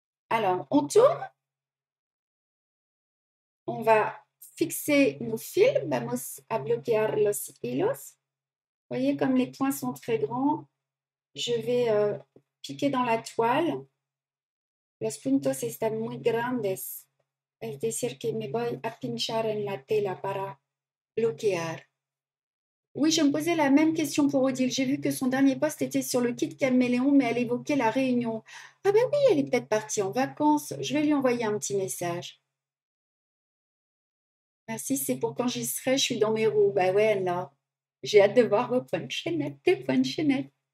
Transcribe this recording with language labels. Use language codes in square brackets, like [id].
[fr] Alors, on tourne. On va fixer nos fils. [es] Vamos a bloquear los hilos. [fr] Vous voyez, comme les points sont très grands, je vais piquer dans la toile. [es] Los puntos están muy grandes. Es decir que me voy a pinchar en la tela para bloquear. [fr] Oui, je me posais la même question pour Odile. J'ai vu que son dernier poste était sur le kit Caméléon, mais elle évoquait la Réunion. Ah ben oui, elle est peut-être partie en vacances. Je vais lui envoyer un petit message. Merci, c'est pour quand j'y serai, je suis dans mes roues. Ben ouais, là, j'ai hâte de voir vos points de chaînette, tes points de chaînette.